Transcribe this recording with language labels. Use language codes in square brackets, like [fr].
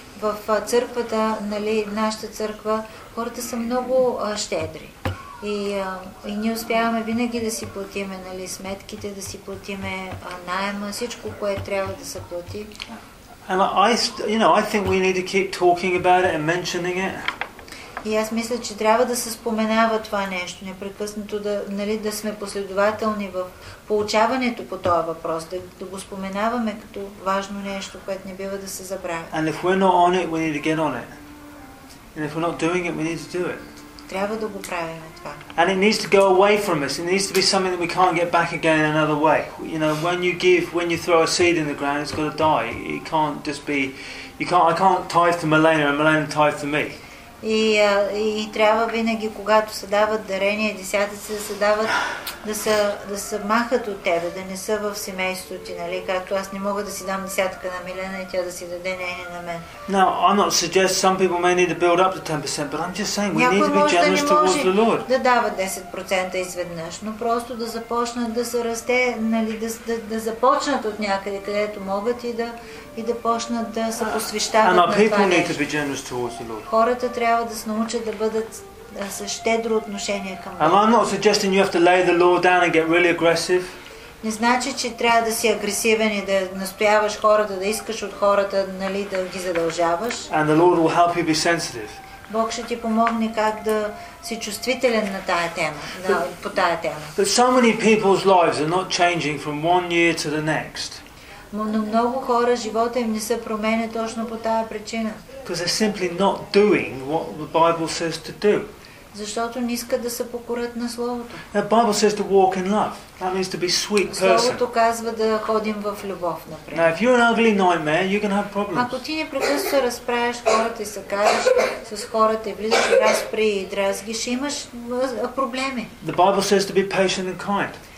[bg] В църквата, нали, нашата църква, хората са много щедри. И ние успяваме винаги да си платиме, нали, сметките, да си платиме найема, всичко, което трябва да се плати. [en] And I think we need to keep talking about it and mentioning it. [bg] И аз мисля, че трябва да се споменава това нещо, непрекъснато да, нали, да сме последователни в получаването по този въпрос, да го споменаваме като важно нещо, което не бива да се забравя. [en] And if we're not on it, we need to get on it. And if we're not doing it, we need to do it. [bg] Трябва да го правим това. [en] And it needs to go away from us. It needs to be something that we can't get back again another way. You know, when you give, when you throw a seed in the ground, it's got to die. It can't just be, I can't tithe to Milena and Milena tithe to me. [bg] И трябва винаги, когато се дават дарения и десятъци, да се дават, да се махат от тебе, да не са в семейството ти, нали? Както аз не мога да си дам десятка на Милена и тя да си даде нея на мен. [en] Now, I'm not suggesting some people may need to build up to 10%, but I'm just saying we need to be generous towards the Lord. [bg] Да дават 10% изведнъж, но просто да започнат да се расте, нали, да започнат от някъде, където могат и да почнат да се посвещават на това нещо. Хората трябва да се научат да бъдат с щедро отношение към Бога. [en] I'm not suggesting you have to lay the law down and get really aggressive. [bg] Не значи, че трябва да си агресивен и да настояваш хората, да искаш от хората, нали, да ги задължаваш. [en] And the Lord will help you be sensitive. [bg] Бог ще ти помогне как да си чувствителен на тая тема, по тая тема. [en] But so many people's lives are not changing from one year to the next. [bg] Но много хора живота им не се променя точно по тая причина. [en] Because they're simply not doing what the Bible says to do. [bg] Защото не искат да се покорят на Словото. [en] The Bible says to walk in love. That means to be sweet person. [bg] Словото казва да ходим в любов, например. [en] Now, if you're an ugly nightmare, you're going to have problems. [bg] Ако ти непрекъснато разправяш хората и се караш с хората и влизаш в разпри и дразги, ще имаш проблеми. [en] The Bible says to be patient and kind.